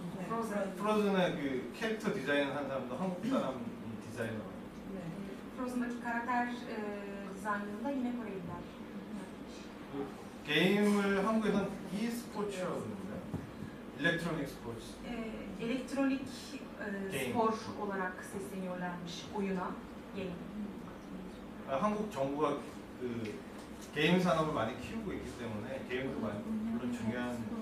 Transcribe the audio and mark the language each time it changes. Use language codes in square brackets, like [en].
[ko] 네. 프로즌. 프로즌의 그 캐릭터 디자인을 한 사람도 한국 사람 디자이너. 네. 프로즌의 캐릭터 디자인은 이제 코리아입니다. 게임을 한국에서는 e스포츠라고 일렉트로닉 스포츠. [tr] 일렉트로닉 스포츠 olarak sesleniyorlarmış oyuna, [en] game. [ko] 한국 정부가 그 게임 산업을 많이 키우고 있기 때문에 게임도 많이 물론 중요한.